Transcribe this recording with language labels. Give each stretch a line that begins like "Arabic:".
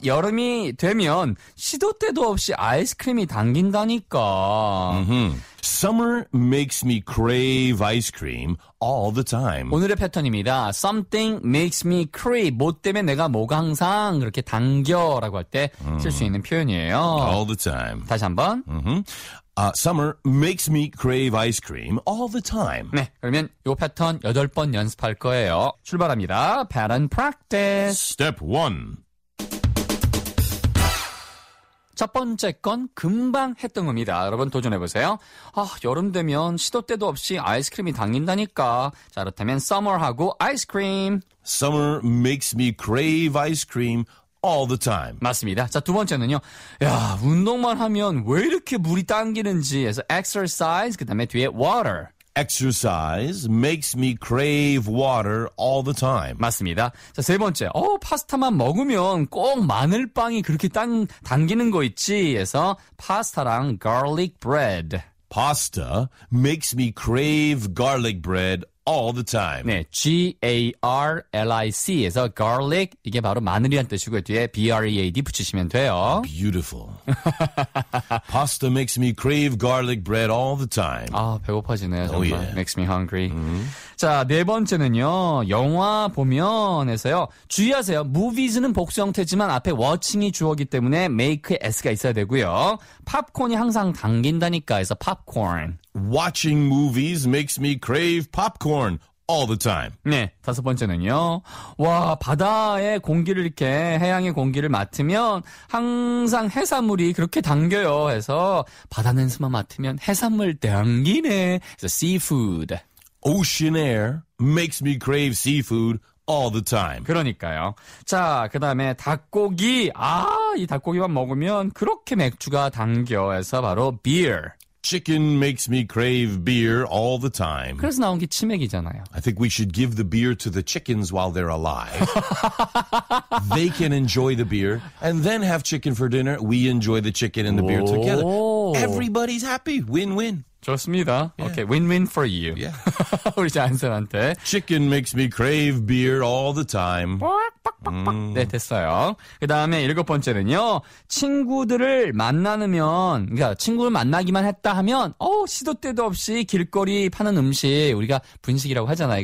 Korean: 여름이 되면 시도 때도 없이 아이스크림이 당긴다니까.
English: Summer makes me crave ice cream all the time.
Korean: 오늘의 패턴입니다.
English: Something makes me crave.
Korean: 뭐 때문에 내가 뭐가 항상 그렇게 당겨라고 할 때 쓸 수 있는 표현이에요.
English: All the time.
Korean: 다시 한번.
English: Summer makes me crave ice cream all the time.
Korean: 네, 그러면 이 패턴 8번 연습할 거예요. 출발합니다.
English: Pattern practice. Step 1.
Korean: 첫 번째 건 금방 했던 겁니다. 여러분 도전해보세요. 아, 여름 되면 시도 때도 없이 아이스크림이 당긴다니까. 자, 그렇다면 summer하고 ice cream.
English: Summer makes me crave ice cream all the time.
Korean: 맞습니다. 자, 두 번째는요. 야, 운동만 하면 왜 이렇게 물이 당기는지. 그래서 exercise, 그 다음에 뒤에 water.
English: Exercise makes me crave water all the time.
Korean: 맞습니다. 자, 세 번째. 어, 파스타만 먹으면 꼭 마늘빵이 그렇게 당기는 거 있지. 해서 파스타랑 garlic bread.
English: Pasta makes me crave garlic bread all the time.
Korean: 네, G-A-R-L-I-C에서 garlic 이게 바로 마늘이란 뜻이고 뒤에 B-R-E-A-D 붙이시면 돼요.
English: Beautiful. Pasta makes me crave garlic bread all the time.
Korean: 아, 배고파지네요. Oh, 정말. Yeah.
English: Makes me hungry.
Korean: Mm-hmm. 자, 네 번째는요. 영화 보면에서요. 주의하세요. Movies는 복수 형태지만 앞에 watching이 주어기 때문에
English: make S
Korean: 가 있어야 되고요. Popcorn이 항상 당긴다니까 해서 popcorn.
English: Watching movies makes me crave popcorn all the time.
Korean: 네, 다섯 번째는요. 와, 바다의 공기를 이렇게 해양의 공기를 맡으면 항상 해산물이 그렇게 당겨요. 해서 바다 냄새만 맡으면 해산물 당기네. 그래서 seafood.
English: Ocean air makes me crave seafood all the time.
Korean: 그러니까요. 자, 그 다음에 닭고기. 아, 이 닭고기만 먹으면 그렇게 맥주가 당겨. 해서 바로 beer.
English: Chicken makes me crave beer all the time.
Korean: 그래서 나온 게 치맥이잖아요.
English: I think we should give the beer to the chickens while they're alive. They can enjoy the beer and then have chicken for dinner. We enjoy the chicken and the beer together. Everybody's happy. Win-win. 좋습니다. Yeah. Okay, win-win for you. Yeah.
Korean: 우리 자연스러운데.
English: Chicken makes me crave beer all the time.
Korean: 네, 됐어요. 그 다음에 일곱 번째는요. 친구들을 만나면, 그러니까 친구를 만나기만 했다 하면, 어, 시도 때도 없이 길거리 파는 음식, 우리가 분식이라고 하잖아요.